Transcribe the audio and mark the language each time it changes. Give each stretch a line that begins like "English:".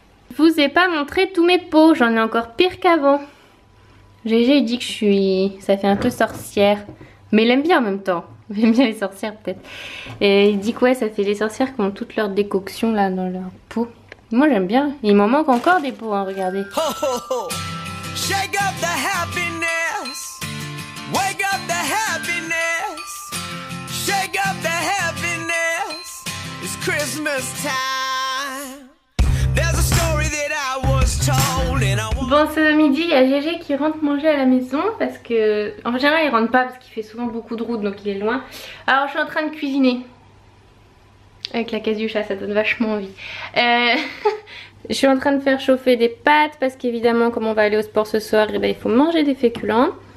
French: Je vous ai pas montré tous mes pots, j'en ai encore pire qu'avant. Gégé dit que je suis... ça fait un peu sorcière. Mais il aime bien en même temps. Il aime bien les sorcières peut-être. Et il dit que ouais, ça fait les sorcières qui ont toute leur décoction là dans leur peau. Moi j'aime bien. Il m'en manque encore des pots, hein, regardez.
English: Oh, oh, oh. Shake up the happiness. Wake up the happiness, shake up the happiness, it's Christmas time. There's a story that I was told and I want...
French: Bon, ce midi, il y a Gégé qui rentre manger à la maison parce que, en général, il rentre pas parce qu'il fait souvent beaucoup de route, donc il est loin. Alors, je suis en train de cuisiner avec la case du chat, ça donne vachement envie. je suis en train de faire chauffer des pâtes parce qu'évidemment, comme on va aller au sport ce soir, et ben, il faut manger des féculents.